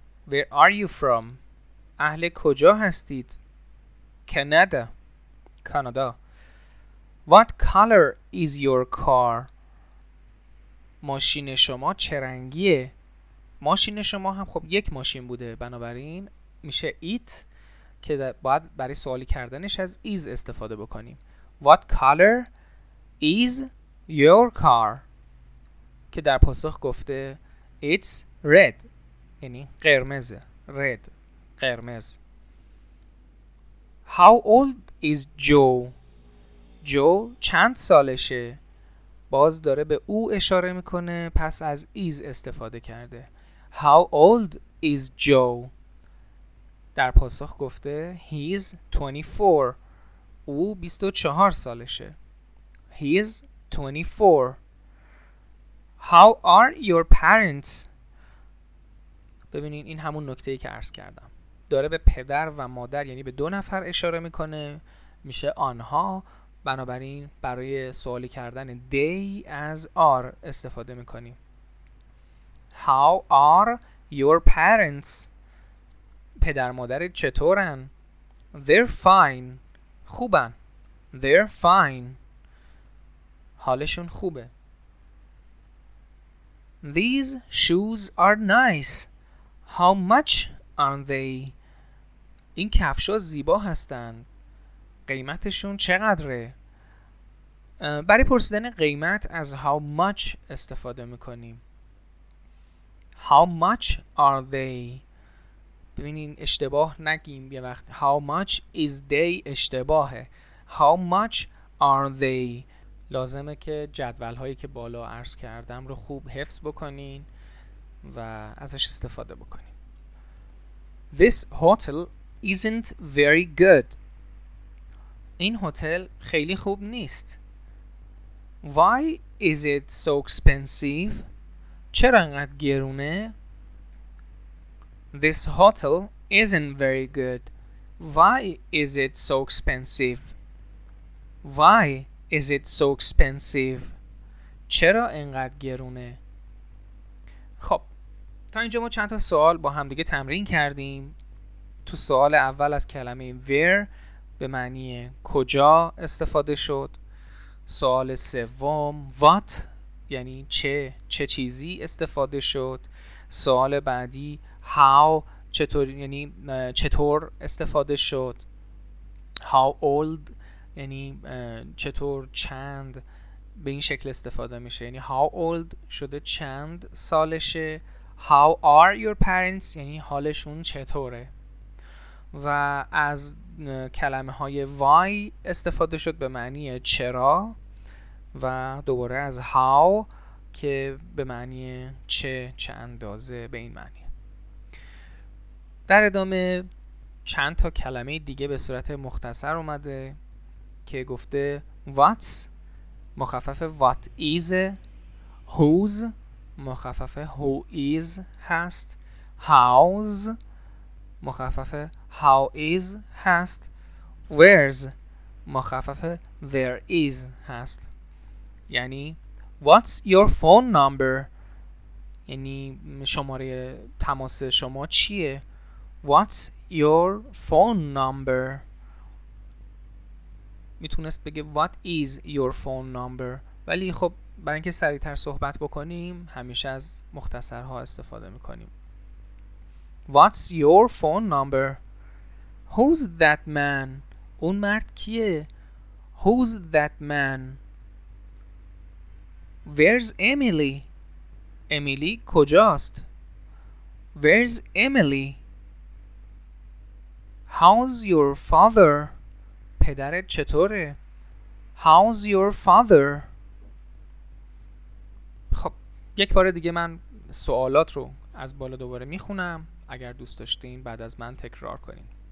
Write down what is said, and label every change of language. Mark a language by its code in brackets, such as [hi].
[en] Where are you from؟ [fa] اهل کجا هستید؟ کانادا، کانادا. [en] What color is your car؟ [fa] ماشین شما چه رنگیه؟ ماشین شما هم خب یک ماشین بوده، بنابراین میشه it که باید برای سوالی کردنش از is استفاده بکنیم. [en] What color is your car؟ [fa] که در پاسخ گفته [en] It's red، [fa] یعنی قرمزه. Red، قرمز. [en] How old is Joe؟ [fa] جو چند سالشه؟ باز داره به او اشاره میکنه، پس از is استفاده کرده. [en] How old is Joe؟ [fa] در پاسخ گفته [en] He's 24، [fa] او 24 سالشه. [en] He's 24. How are your parents؟ [fa] ببینین، این همون نکته ای که عرض کردم، داره به پدر و مادر، یعنی به دو نفر اشاره میکنه، میشه آنها، بنابراین برای سوالی کردن they از are استفاده میکنیم. [en] How are your parents؟ [fa] پدر مادر چطورن؟ [en] They're fine. [fa] خوبن. [en] They're fine. [fa] حالشون خوبه. [en] These shoes are nice. How much are they؟ [fa] این کفش ها زیبا هستن، قیمتشون چقدره؟ برای پرسیدن قیمت از how much استفاده میکنیم. [en] How much are they؟ [fa] ببینین اشتباه نگیم یه وقت. [en] How much is they [fa] اشتباهه. [en] How much are they؟ [fa] لازمه که جدول هایی که بالا عرض کردم رو خوب حفظ بکنین و ازش استفاده بکنین. [en] This hotel isn't very good. [fa] این هتل خیلی خوب نیست. [en] Why is it so expensive؟ [fa] چرا انقدر گرونه؟ [en] This hotel isn't very good. Why is it so expensive؟ [fa] Why is it so expensive؟ چرا انقدر گرونه؟ خب تا اینجا ما چند تا سوال با هم دیگه تمرین کردیم. تو سوال اول از کلمه where به معنی کجا استفاده شد. سوال سوم what یعنی چه چیزی استفاده شد. سوال بعدی how چطور یعنی چطور استفاده شد. How old یعنی چطور چند به این شکل استفاده میشه، یعنی how old شده چند سالشه. [en] How are your parents [fa] یعنی حالشون چطوره. و از کلمه های why استفاده شد به معنی چرا، و دوباره از how که به معنی چه، چه اندازه، به این معنی. در ادامه چند تا کلمه دیگه به صورت مختصر اومده که گفته what's مخفف what is، who's مخفف who is هست، how's مخفف how is هست، where's مخفف there is هست. [en] یعنی What's your phone number؟ [fa] یعنی شماره تماس شما چیه؟ [en] What's your phone number؟ [fa] میتونست بگه [en] What is your phone number؟ [fa] ولی خب برای اینکه سریع‌تر صحبت بکنیم همیشه از مختصرها استفاده می‌کنیم. [en] What's your phone number? Who's that man? [fa] اون مرد کیه؟ [en] Who's that man? Where's Emily? [fa] امیلی کجاست؟ [en] Where's Emily? How's your father? [fa] پدرت چطوره؟ [en] How's your father? [fa] خب یک بار دیگه من سوالات رو از بالا دوباره میخونم، اگر دوست داشتین بعد از من تکرار کنین.